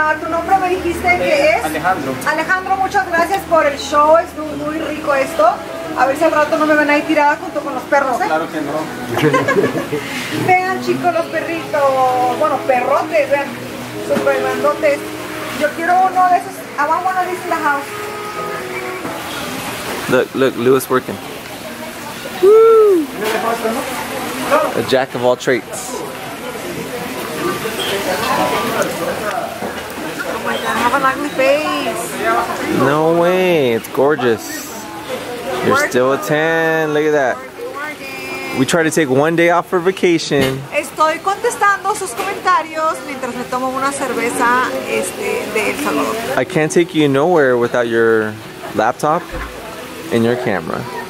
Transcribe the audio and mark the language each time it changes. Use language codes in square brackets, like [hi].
[es] Tu nombre me dijiste que es Alejandro, muchas gracias por el show. Es muy, muy rico esto. A ver si al rato no me ven ahí tirada junto con los perros, ¿eh? Claro que no. Vean, chicos, los perritos. Bueno, perrotes, vean. Súper grandotes. Yo quiero uno de esos. [en] I want one of these in the house. Look, Lewis working. Woo! A jack of all trades. Oh my god, I have an ugly face. No way, it's gorgeous. You're still a tan, look at that. We try to take one day off for vacation. [es] Estoy contestando sus comentarios mientras me tomo una cerveza de El Salvador. [en] I can't take you nowhere without your laptop and your camera.